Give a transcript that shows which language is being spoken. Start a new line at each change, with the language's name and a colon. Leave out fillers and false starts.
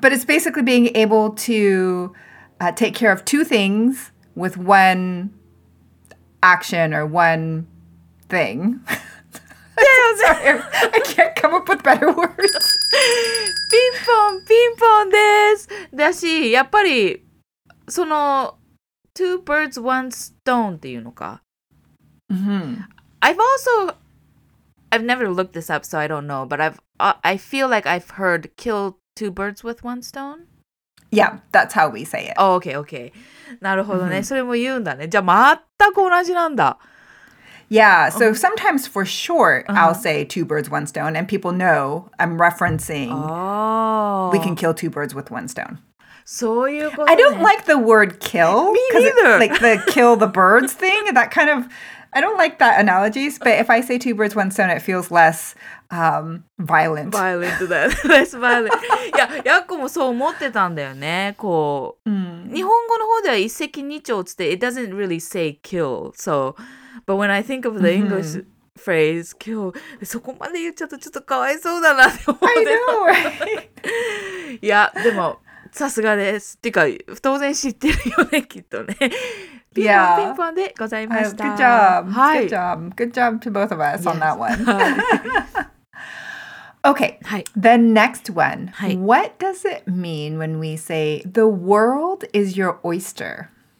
English: But it's basically being able to take care of two things with one action or one thing. Sorry, I can't come up with better words.
Japanese: ピンポン、ピンポンです。だし、やっぱり、その、
English: two birds, one stone
Japanese: っていうのか。 Mm-hmm.
English: I've never looked this up, so I don't know, but I feel like I've heard kill two birds with one stone. Yeah, that's how we say it. Oh, okay, okay.
Japanese: なるほどね。
English: Mm-hmm.
Japanese: それも言うんだね。じゃあ、全く同じなんだ。
English: Yeah, so sometimes for short, I'll say two birds, one stone, and people know I'm referencing we can kill two birds with one stone.
Japanese: そういうこと、
English: ね、I don't like the word kill. Me neither. Like the kill the birds thing, that kind of, I don't like that analogies, but if I say two birds, one stone, it feels less violent. Violent, less violent.
Japanese: いや、ヤッコもそう思ってたんだよね。こう、日本語の方では一石二鳥つって、
English: it doesn't really say kill, so... But when I think of the English phrase, kill,
Japanese: そこまで言っちゃうとちょっとかわいそうだなって思って。
English: I know, right?
Japanese: いや、でも、さすがです。てか、当然知ってるよね、きっとね。ピンポン、ピンポンでございました。
English: Good job. Good job. Good job to both of us on that one. Okay, the next one. What does it mean when we say, the world is your oyster?